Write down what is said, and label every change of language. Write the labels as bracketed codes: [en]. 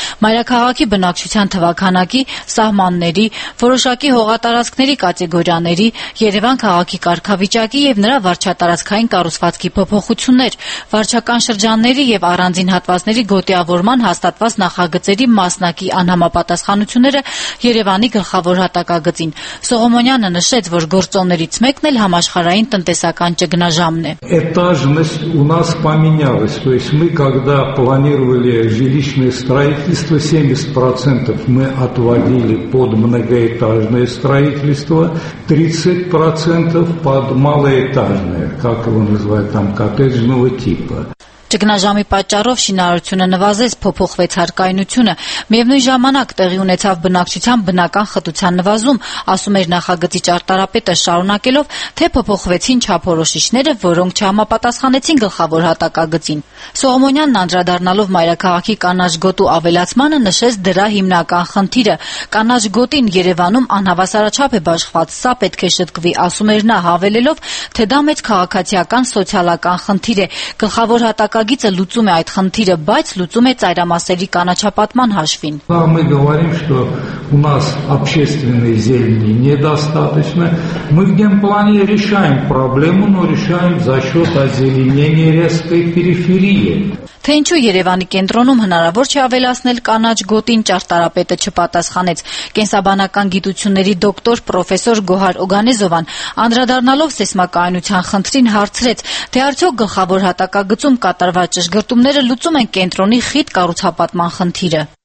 [hy] Մայրաքաղաքի բնակչության թվականակի սահմանների, որոշակի հողատարածքների կատեգորիաների, Երևան քաղաքի կարգավիճակի եւ նրա վարչատարածքային կառուցվածքի փոփոխություններ, վարչական շրջանների եւ առանձին հատվածների գոտիավորման հաստատված նախագծերի մասնակի անհամապատասխանությունները Երևանի գլխավոր հատակագծին։ Սողոմոնյանը նշեց, որ գործոններից մեկն էլ համաշխարհային տնտեսական ճգնաժամն է։ [ru] Этажность у нас поменялась, то есть мы когда планировали жилищное строительство 70% мы отводили под многоэтажное строительство, 30% под малоэтажное, как его называют там, коттеджного типа. [hy] Ճգնաժամի պատճառով շինարարությունը նվազեց փոփոխվեց հարկայնությունը, միևնույն ժամանակ տեղի ունեցավ բնակչության բնական խտության նվազում, ասում էր նախագծի ճարտարապետը շարունակելով, թե փոփոխվեցին չափորոշիչները, որոնք չհամապատասխանեցին գլխավոր հատակագծին։ Սողոմոնյանն անդրադառնալով մայրաքաղաքի կանաչ գոտու ավելացմանը նշեց դրա հիմնական խնդիրը։ Կանաչ գոտին Երևանում անհավասարաչափ է բաշխված, սա պետք է շտկվի, ասում էր նա, հավելելով, թե դա մեծ քաղաքացիական սոցիալական խնդիր է։ Գլխավոր Հատակագիծը լուծում է այդ խնդիրը, բայց լուծում է ծայրամասերի կանաչապատման հաշվին։ [ru] Мы говорим, что у нас общественной зелени недостаточно. Мы в генплане решаем проблему, но решаем за счёт озеленения резкой периферии. [hy] Թե ինչու Երևանի կենտրոնում հնարավոր չէ ավելացնել կանաչ գոտին, ճարտարապետը չպատասխանեց։ Կենսաբանական գիտությունների դոկտոր պրոֆեսոր Գոհար Օգանեզովան, անդրադառնալով սեյսմակայունության խնդրին, հարցրեց, թե արդյոք գլխավոր հատակագծում կատարված ճշգրտումները լուծում են կենտրոնի խիտ կառուցապատման խնդիրը։